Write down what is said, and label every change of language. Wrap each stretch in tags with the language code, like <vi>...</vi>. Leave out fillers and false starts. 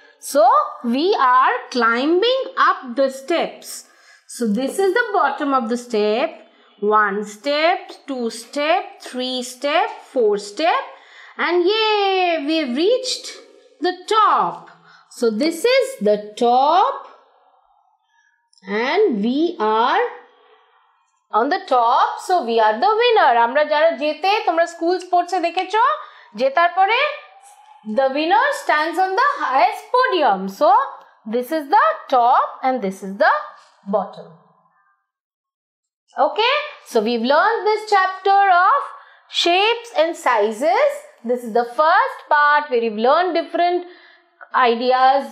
<en>So we are climbing up the steps, so this is the bottom of the step, one step, two step, three step, four step, and yeah we have reached the top, so this is the top, and we are on the top, so we are the winner.</en> <bn>আমরা যারা জেতে তোমরা school স্পোর্টসে দেখেছো, জেতার পরে</bn> <en>the winner stands on the highest podium. So this is the top and this is the bottom. Okay, so we've learned this chapter of shapes and sizes. This is the first part where we've learned different ideas.</en>